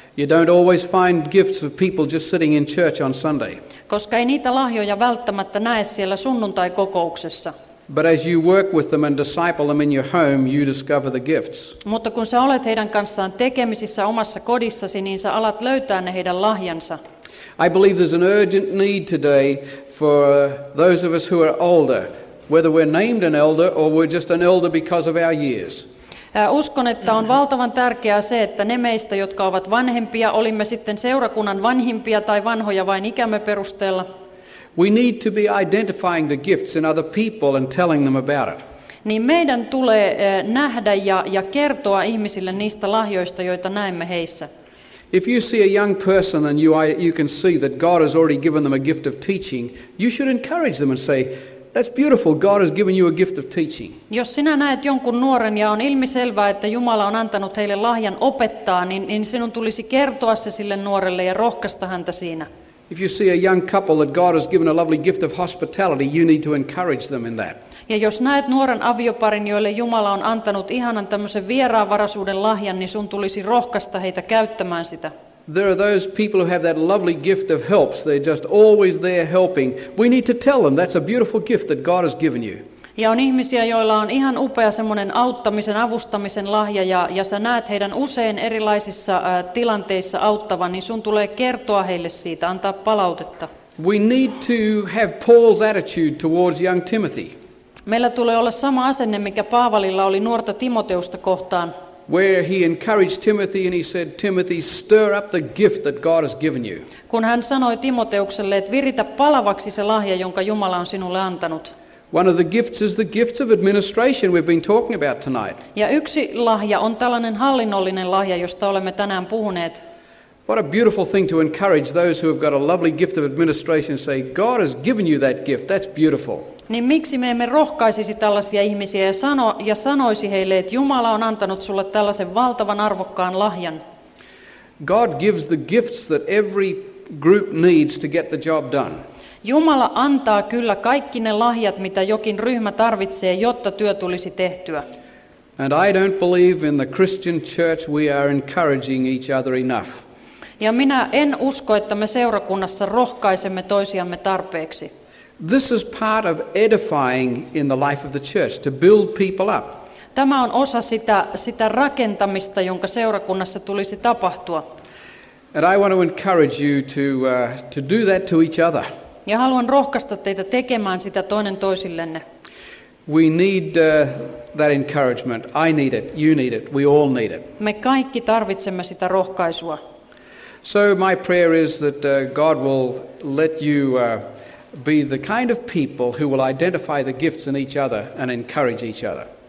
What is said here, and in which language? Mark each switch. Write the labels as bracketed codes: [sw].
[en] You don't always find gifts of people just sitting in church on Sunday. [fi] Koska ei niitä lahjoja välttämättä näe siellä sunnuntaikokouksessa. [en] But as you work with them and disciple them in your home, you discover the gifts. [fi] Mutta kun sä olet heidän kanssaan tekemisissä omassa kodissasi, niin sä alat löytää ne heidän lahjansa. [en] I believe there's an urgent need today for those of us who are older, whether we're named an elder or we're just an elder because of our years. [fi] Uskon, että on valtavan tärkeää se, että ne meistä, jotka ovat vanhempia, olimme sitten seurakunnan vanhimpia tai vanhoja vain ikämme perusteella. [en] We need to be identifying the gifts in other people and telling them about it. [fi] Niin meidän tulee nähdä ja kertoa ihmisille niistä lahjoista, joita näemme heissä. [en] If you see a young person and you can see that God has already given them a gift of teaching, you should encourage them and say, that's beautiful, God has given you a gift of teaching. [fi] Jos sinä näet jonkun nuoren ja on ilmiselvää, että Jumala on antanut heille lahjan opettaa, niin sinun tulisi kertoa se sille nuorelle ja rohkaista häntä siinä. [en] If you see a young couple that God has given a lovely gift of hospitality, you need to encourage them in that. [fi] Ja jos näet nuoren avioparin, joille Jumala on antanut ihanan tämmöisen vieraanvaraisuuden lahjan, niin sun tulisi rohkaista heitä käyttämään sitä. [en] There are those people who have that lovely gift of helps. They're just always there helping. We need to tell them that's a beautiful gift that God has given you. [fi] Ja on ihmisiä, joilla on ihan upea semmoinen auttamisen, avustamisen lahja, ja sä näet heidän usein erilaisissa tilanteissa auttavan, niin sun tulee kertoa heille siitä, antaa palautetta. [en] We need to have Paul's attitude towards young Timothy. [fi] Meillä tulee olla sama asenne, mikä Paavalilla oli nuorta Timoteusta kohtaan. [en] Where he encouraged Timothy and he said, Timothy, stir up the gift that God has given you. [fi] Kun hän sanoi Timoteukselle, että viritä palavaksi se lahja, jonka Jumala on sinulle antanut. [en] One of the gifts is the gift of administration we've been talking about tonight. [fi] Ja yksi lahja on tällainen hallinnollinen lahja, josta olemme tänään puhuneet. [en] What a beautiful thing to encourage those who have got a lovely gift of administration and say, God has given you that gift, that's beautiful. [fi] Niin miksi me emme rohkaisisi tällaisia ihmisiä ja sanoisi heille, että Jumala on antanut sulle tällaisen valtavan arvokkaan lahjan. [en] God gives the gifts that every group needs to get the job done. [fi] Jumala antaa kyllä kaikki ne lahjat, mitä jokin ryhmä tarvitsee, jotta työ tulisi tehtyä. [en] And I don't believe in the Christian church we are encouraging each other enough. [fi] Ja minä en usko, että me seurakunnassa rohkaisemme toisiamme tarpeeksi. [en] This is part of edifying in the life of the church, to build people up. [fi] Tämä on osa sitä rakentamista, jonka seurakunnassa tulisi tapahtua. [en] And I want to encourage you to do that to each other. [fi] Ja haluan rohkaista teitä tekemään sitä toinen toisillenne. [en] We need that encouragement. I need it, you need it, we all need it. [fi] Me kaikki tarvitsemme sitä rohkaisua. [en] So my prayer is that God will let you be the kind of people who will identify the gifts in each other and encourage each other.